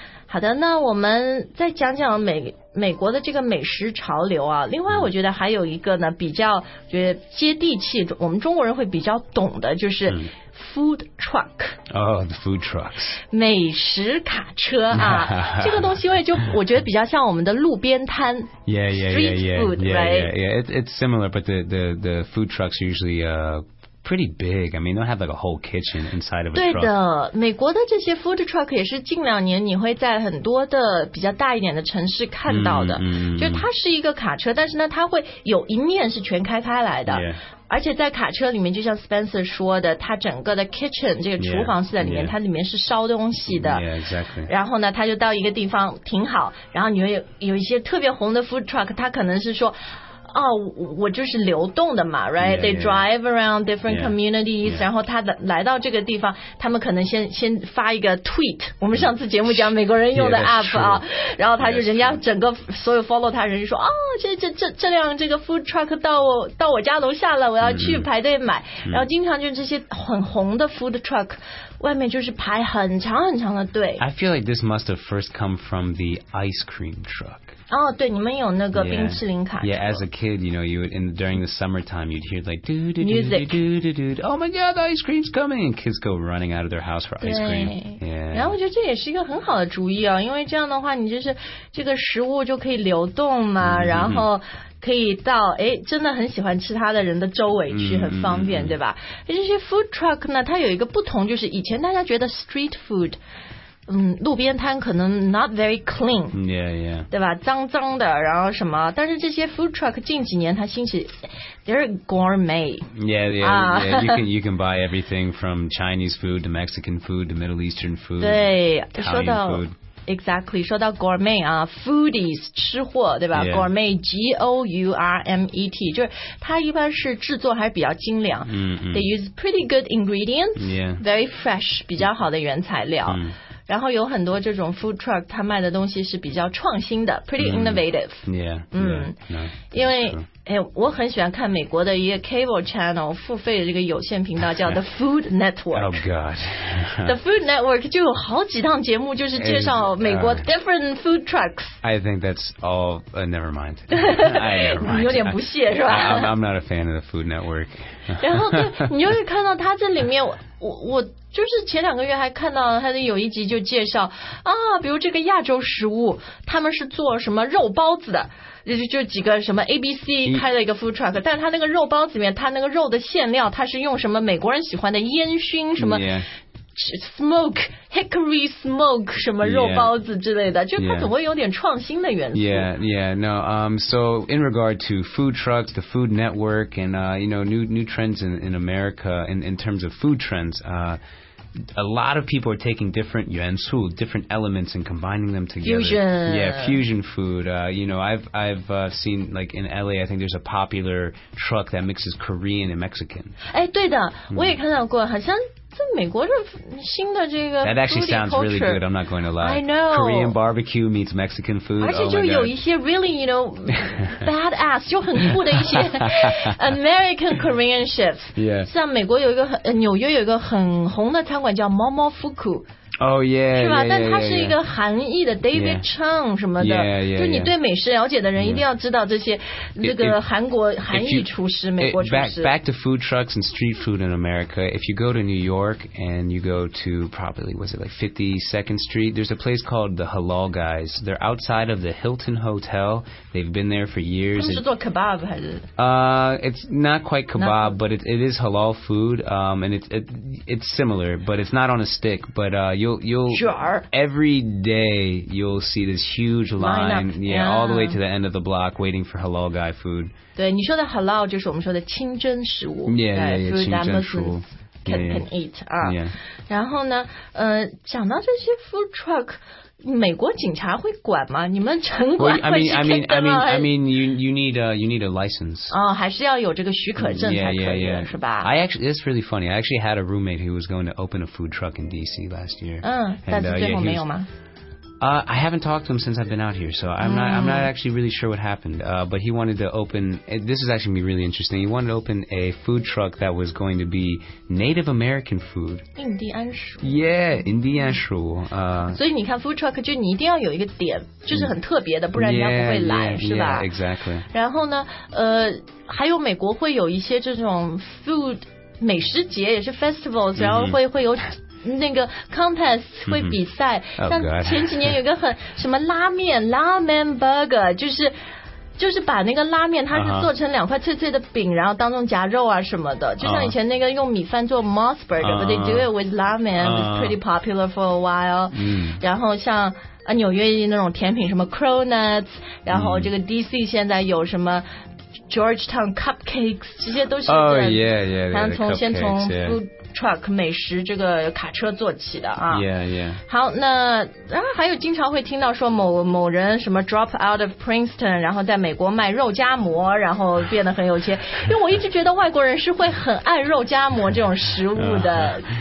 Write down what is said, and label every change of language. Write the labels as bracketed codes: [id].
[zh] 好的那我们再讲讲美国的这个美食潮流啊另外我觉得还有一个呢比较觉得接地气我们中国人会比较懂的就是 food truck [en] Oh, food trucks [zh] 美食卡车啊这个东西我觉得比较像我们的路边摊 [en] yeah, yeah, yeah, yeah, street food yeah, yeah, yeah, right yeah, yeah, yeah. It's similar but the food trucks usually pretty big. I mean, they have like a whole kitchen inside of a truck. [zh] 对的，美国的这些 food truck 也是近两年你会在很多的比较大一点的城市看到的。就它是一个卡车，但是呢，它会有一面是全开开来的。而且在卡车里面，就像 Spencer 说的，它整个的 kitchen 这个厨房是在里面，它里面是烧东西的。 [en] Exactly. [zh] 然后呢，它就到一个地方停好，然后你会有一些特别红的 food truck， 它可能是说。哦，我就是流动的嘛 ， [en] right? Yeah, yeah, They drive around different yeah, communities， yeah. [zh] 然后他的来到这个地方，他们可能先发一个 tweet。我们上次节目讲美国人用的 app 啊，然后他就人家整个所有 follow 他人就说，哦，这辆这个 food truck 到我家楼下了，我要去排队买。 Mm-hmm. 然后经常就这些很红的 food truck， 外面就是排很长很长的队。 [en] I feel like this must have first come from the ice cream truck. [zh] 哦、oh, ，对，你们有那个冰淇淋卡车。 [en] Yeah, as a kid, you know, you would, in during the summertime, you'd hear like music. Oh my God, the ice cream's coming! Kids go running out of their house for ice cream. Yeah. [zh] 然后我觉得这也是一个很好的主意啊、哦，因为这样的话，你就是这个食物就可以流动嘛， mm-hmm. 然后可以到哎，真的很喜欢吃它的人的周围去，很方便， mm-hmm. 对吧？这些 food truck 呢，它有一个不同，就是以前大家觉得 street food。路边摊可能 [en] not very clean， yeah yeah， [zh] 对吧？脏脏的，然后什么？但是这些 food truck 近几年它兴起 ， [en] they're gourmet， yeah yeah，you can buy everything from Chinese food to Mexican food to Middle Eastern food， [zh] 对，说到。 Exactly, 说到 gourmet 啊 foodies, 吃货对吧、 [en] yeah. [zh] gourmet, G-O-U-R-M-E-T, 就是它一般是制作还是比较精良、 mm-hmm. [en] They use pretty good ingredients,、 yeah. very fresh, [zh] 比较好的原材料、 mm-hmm. 然后有很多这种 food truck, 它卖的东西是比较创新的 [en] pretty innovative,、 mm-hmm. yeah. 嗯 yeah. No, [zh] 因为哎，我很喜欢看美国的一个 cable channel 付费的这个有线频道，叫 The Food Network。 [en] Oh God! [zh] The Food Network 就有好几档节目，就是介绍美国 different food trucks. [en] I think that's all.、never mind. I never mind. [zh] 你有点不屑是吧 [en] ？I'm not a fan of the Food Network. [zh] 然后对，你就会看到他这里面，我就是前两个月还看到他的有一集就介绍啊，比如这个亚洲食物，他们是做什么肉包子的。就几个什么 ABC 开了一个 food truck， 但他那个肉包子里面，他那个肉的馅料，他是用什么美国人喜欢的烟熏什么、 [en] yeah. [zh] smoke hickory smoke 什么肉包子之类的， [en] yeah. [zh] 就他总会有点创新的元素。 [en] Yeah, yeah, no. So in regard to food trucks, the food network, and you know, new trends in America in terms of food trends, a lot of people are taking different 元素, different elements and combining them together. Fusion. Yeah, fusion food. You know, I've seen, like, in LA, I think there's a popular truck that mixes Korean and Mexican. [zh] 哎，对的，我也看到过，好像在美国这新的这个 [en] That actually sounds really good, I'm not going to lie. I know. Korean barbecue meets Mexican food. [zh] 而且就有一些 [en] really, you know, badass, [zh] 就很酷的一些 American Korean chefs. [en] Yeah. [zh] 像美国有一个很，纽约有一个很红的餐馆叫 Momo Fuku。 [en] Oh yeah, [zh] 是吧？ [en] Yeah, yeah, [zh] 但他是一个韩裔的 David [en] yeah, [zh] Chang 什么的， [en] yeah, yeah, yeah, [zh] 就你对美食了解的人一定要知道这些， yeah. 这个韩国 [en] if, [zh] 韩裔厨师， [en] if, [zh] 美国厨师。 [en] It, back to food trucks and street food in America. If you go to New York and you go to probably was it like 52nd Street, there's a place called the Halal Guys. They're outside of the Hilton Hotel. They've been there for years. [zh] 他们是做 kebab 还是？ [en] It's not quite kebab, but it is halal food. And it's similar, but it's not on a stick. But You'll every day you'll see this huge line, up, yeah, all the way to the end of the block waiting for halal guy food. [zh] 对，你说的 halal 就是我们说的清真食物， [en] yeah, food that Muslims can eat. [zh] 然后呢，讲到这些 food truck， 美国警察会管吗？你们城管会去 [en] kick them out？ I mean, you need a license. [zh] 哦，还是要有这个许可证才可以， [en] yeah. [zh] 是吧 [en] ？I actually, it's really funny. I actually had a roommate who was going to open a food truck in D.C. last year. [zh] 但是最后没有吗？ [en] I haven't talked to him since I've been out here, so I'm not actually really sure what happened. But he wanted to open, this is actually going to be really interesting, he wanted to open a food truck that was going to be Native American food. Indian shu. Yeah, Indian [zh] shu. [en] So you can food truck, [zh] 就你一定要有一个点，就是很特别的，不然人家不会来，是吧？ [en] Exactly. [zh] 然后呢，还有美国会有一些这种 food, 美食节也是 festivals, 然后会有那个 contest 会比赛、 mm-hmm. oh, 像前几年有个很什么拉面拉面 burger 就是把那个拉面它是做成两块脆脆的饼、uh-huh. 然后当中夹肉啊什么的就像以前那个用米饭做 Mos burger、uh-huh. [en] but they do it with 拉面、uh-huh. it's pretty popular for a while、 mm-hmm. [zh] 然后像纽约那种甜品什么 cronuts 然后这个 DC 现在有什么Georgetown cupcakes 这些都是这样、 [en] oh, yeah, yeah, yeah, [zh] 然后从 [en] cupcakes, [zh] 先从 food、 [en] yeah. [zh] truck 美食这个卡车做起的啊 [en] yeah, [zh] yeah. 好那然后还有经常会听到说某人什么 [en] drop out of Princeton [zh] 然后在美国卖肉夹馍然后变得很有钱因为我一直觉得外国人是会很爱肉夹馍这种食物的、